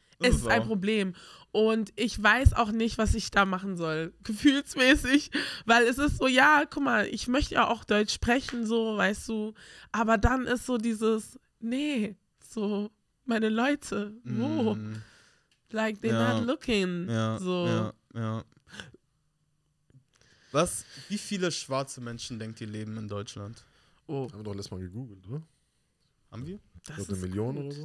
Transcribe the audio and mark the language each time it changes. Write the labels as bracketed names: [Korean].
[German] Es ist ein Problem. Und ich weiß auch nicht, was ich da machen soll, gefühlsmäßig. Weil es ist so, ja, guck mal, ich möchte ja auch Deutsch sprechen, so, weißt du. Aber dann ist so dieses, nee, so, meine Leute, wo? [English] Like, they're not looking, so. [German] Ja, ja. Wie viele schwarze Menschen, denkt ihr, leben in Deutschland? Oh. Haben wir doch letztes Mal gegoogelt, oder? Haben wir? Das ist eine Million gut, oder so?